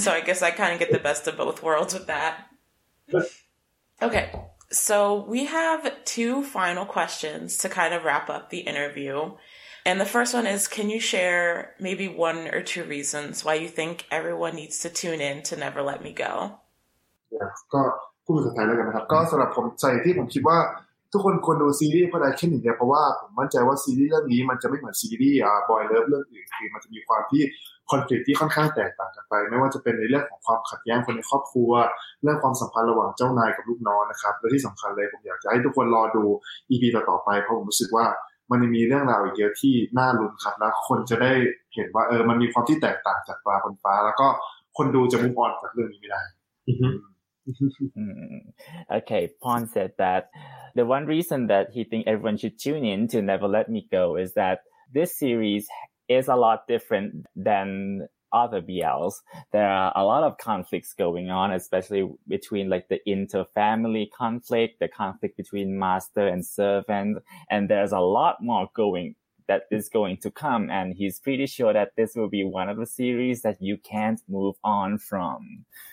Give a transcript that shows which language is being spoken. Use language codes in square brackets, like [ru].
[en] So I guess I kind of get the best of both worlds with that. Okay. So we have two final questions to kind of wrap up the interview. And the first one is, can you share maybe one or two reasons why you think everyone needs to tune in to Never Let Me Go? [th] Yeah, ก็พูดภาษาไทยแล้วกันนะครับก็สำหรับผมใจที่ผมคิดว่าทุกคนควรดูซีรีส์เพราะอะไรแค่หนึ่งเดียวเพราะว่าผมมั่นใจว่าซีรีส์เรื่องนี้มันจะไม่เหมือนซีรีส์บอยเลิฟเรื่องอื่นคือมันจะมีความที่คอนฟลิกต์ที่ค่อนข้างแตกต่างกันไปไม่ว่าจะเป็นในเรื่องของความขัดแย้งคนในครอบครัวเรื่องความสัมพันธ์ระหว่างเจ้านายกับลูกน้องนะครับและที่สำคัญเลยผมอยากจะให้ทุกคนรอดู EP ต่อไปเพราะผมรู้สึกว่ามันมีเรื่องราวอีกเยอะที่น่าลุ้นครับแล้วคนจะได้เห็นว่าเออมันมีความที่แตกต่างจากปลาบนฟ้าแล้วก็คนดูจะมุ่งมั่นจากเรื่องนี้ไม่ได้ [en] Okay, Pon said that the one reason that he think everyone should tune in to Never Let Me Go is that this series is a lot different than other BLs. There are a lot of conflicts going on, especially between like the inter-family conflict, the conflict between master and servant, and there's a lot more going that is going to come, and he's pretty sure that this will be one of the series that you can't move on from.